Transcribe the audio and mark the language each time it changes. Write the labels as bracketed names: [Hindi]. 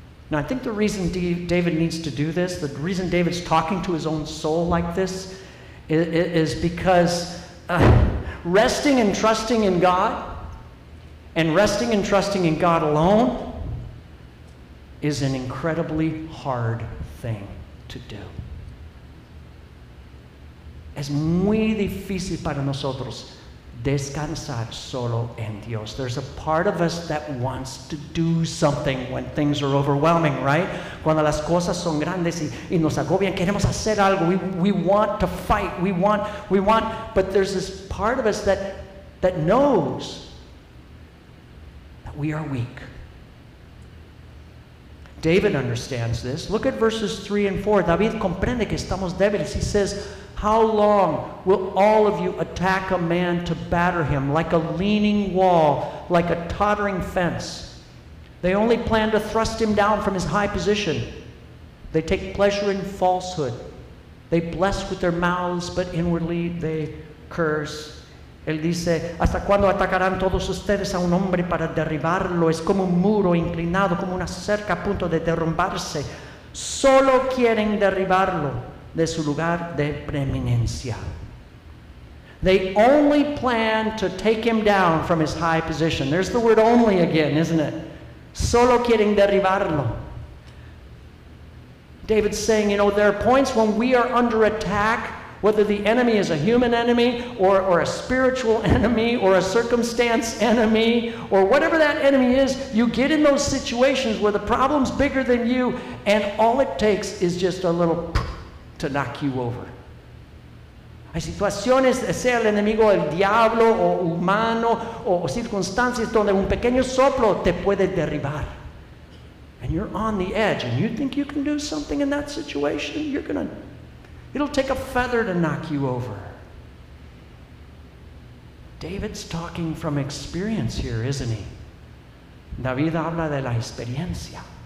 [English] Now, I think the reason David needs to do this, the reason David's talking to his own soul like this, is because resting and trusting in God and resting and trusting in God alone is an incredibly hard thing to do. [Spanish] Es muy difícil para nosotros descansar solo en Dios. [English] There's a part of us that wants to do something when things are overwhelming, right? [Spanish] Cuando las cosas son grandes y nos agobian, queremos hacer algo. [English] We want to fight. We want. But there's this part of us that knows that we are weak. David understands this. Look at verses 3 and 4. [Spanish] David comprende que estamos débiles. [English] He says, how long will all of you attack a man to batter him like a leaning wall, like a tottering fence? They only plan to thrust him down from his high position. They take pleasure in falsehood. They bless with their mouths, but inwardly they curse. [Spanish] Él dice, ¿hasta cuándo atacarán todos ustedes a un hombre para derribarlo? Es como un muro inclinado, como una cerca a punto de derrumbarse. Solo quieren derribarlo de su lugar de preeminencia. [English] They only plan to take him down from his high position. There's the word only again, isn't it? [Spanish] Solo quieren derribarlo. [English] David's saying, you know, there are points when we are under attack, whether the enemy is a human enemy or a spiritual enemy or a circumstance enemy or whatever that enemy is, you get in those situations where the problem's bigger than you and all it takes is just a little to knock you over. [Spanish] Hay situaciones, sea el enemigo, el diablo o humano o circunstancias donde un pequeño soplo te puede derribar. [English] And you're on the edge and you think you can do something in that situation, you're going to... It'll take a feather to knock you over. David's talking from experience here, isn't he? [Spanish] David habla de la experiencia.